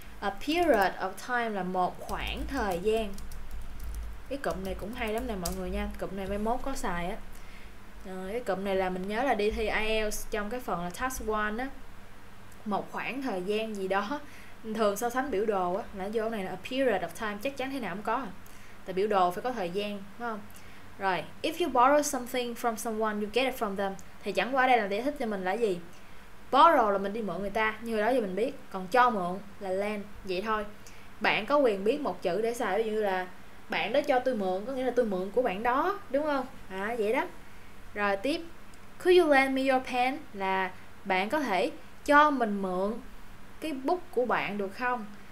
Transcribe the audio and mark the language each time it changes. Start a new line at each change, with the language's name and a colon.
English: A period of time
Vietnamese: là một khoảng thời gian. Cái cụm này cũng hay lắm nè mọi người nha. Cụm này mai mốt có xài á. Cái cụm này là mình nhớ là đi thi IELTS trong cái phần là task 1 á. Một khoảng thời gian gì đó. Thường so sánh biểu đồ á, là vô này là
English: a period of time,
Vietnamese: chắc chắn thế nào cũng có. Tại biểu đồ phải có thời gian, đúng không?
English: Rồi, if you borrow something from someone, you get it from them.
Vietnamese: Thì chẳng qua đây là giải thích cho mình là gì? Borrow là mình đi mượn người ta, như đó giờ mình biết. Còn cho mượn là lend, vậy thôi. Bạn có quyền biết một chữ để xài, ví dụ như là bạn đó cho tôi mượn, có nghĩa là tôi mượn của bạn đó, đúng không? Vậy đó. Rồi, tiếp.
English: Could you lend me your pen?
Vietnamese: Là bạn có thể cho mình mượn cái bút của bạn được không?